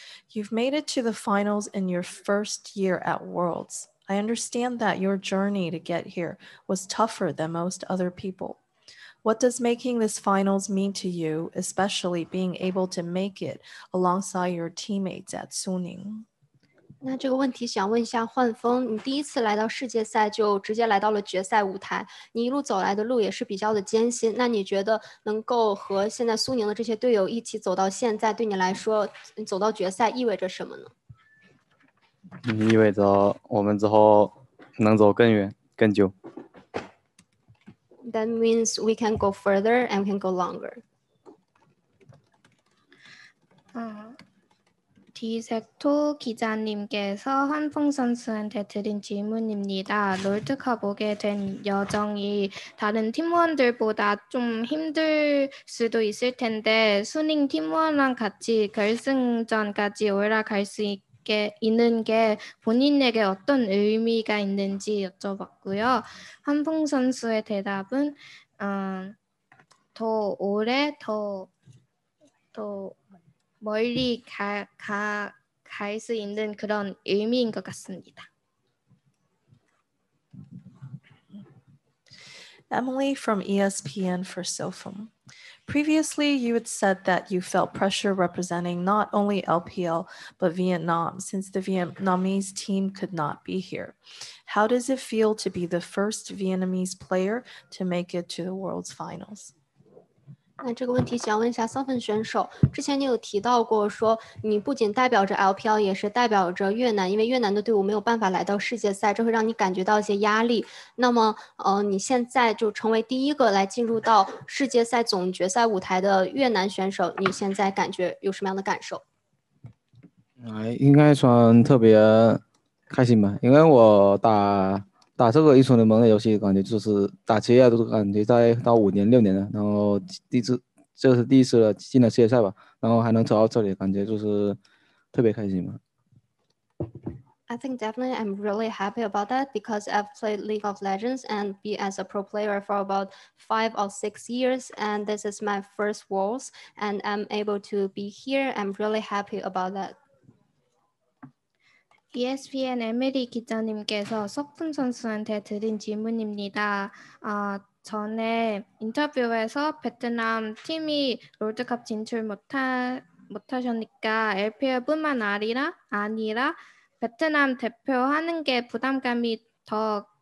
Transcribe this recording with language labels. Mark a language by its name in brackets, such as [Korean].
[English] You've made it to the finals in your first year at Worlds. I understand that your journey to get here was tougher than most other people. What does making this finals mean to you, especially being able to make it alongside your teammates at Suning? [Chinese] 那这个问题想问一下幻风，你第一次来到世界赛就直接来到了决赛舞台，你一路走来的路也是比较的艰辛，那你觉得能够和现在苏宁的这些队友一起走到现在，对你来说走到决赛意味着什么呢？意味着我们之后能走更远更久。 [English] That means we can go further and we can go longer. [Korean] 디섹토 기자님께서 한풍 선수한테 드린 질문입니다. 롤드컵 오게 된 여정이 다른 팀원들보다 좀 힘들 수도 있을 텐데 순잉 팀원랑 같이 결승전까지 올라갈 수 있는 게 본인에게 어떤 의미가 있는지 여쭤봤고요. 한풍 선수의 대답은 더 오래 더 멀리 갈 수 있는 그런 의미인 것 같습니다. [English] Emily from ESPN for Sofum. Previously, you had said that you felt pressure representing not only LPL, but Vietnam, since the Vietnamese team could not be here. How does it feel to be the first Vietnamese player to make it to the World's Finals? [Chinese] 那这个问题想问一下 Sofum 选手，之前你有提到过说你不仅代表着 LPL 也是代表着越南，因为越南的队伍没有办法来到世界赛，这会让你感觉到一些压力。那么你现在就成为第一个来进入到世界赛总决赛舞台的越南选手，你现在感觉有什么样的感受？应该算特别开心吧，因为我打这个英雄联盟的游戏，感觉就是打职业都感觉在到五年六年了，然后这是第一次了进了世界赛吧，然后还能走到这里，感觉就是特别开心嘛。 [English] I think definitely I'm really happy about that because I've played League of Legends and be as a pro player for about 5 or 6 years, and this is my first Worlds, and I'm able to be here. I'm really happy about that. [Korean] ESPN 에밀리 기자님께서 석훈 선수한테 드린 질문입니다. 전에 인터뷰에서 베트남 팀이 롤드컵 진출 못하셨으니까 LPL뿐만 아니라 베트남 대표하는 게 부담감이 더